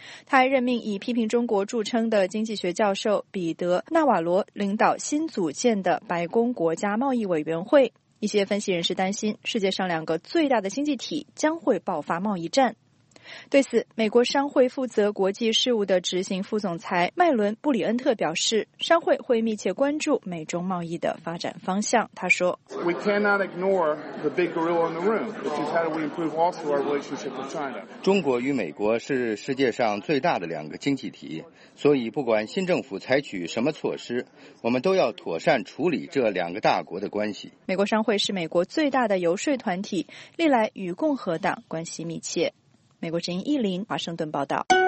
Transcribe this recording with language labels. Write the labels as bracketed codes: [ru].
[zh] 他还任命以批评中国著称的经济学教授彼得·纳瓦罗领导新组建的白宫国家贸易委员会，一些分析人士担心，世界上两个最大的经济体将会爆发贸易战。对此，美国商会负责国际事务的执行副总裁麦伦·布里恩特表示，商会会密切关注美中贸易的发展方向。他说 [en] ：“We cannot ignore the big gorilla in the room, which is how do we improve also our relationship with China。 [zh] 中国与美国是世界上最大的两个经济体，所以不管新政府采取什么措施，我们都要妥善处理这两个大国的关系。” 美国商会是美国最大的游说团体，历来与共和党关系密切。美国之音一林华盛顿报道。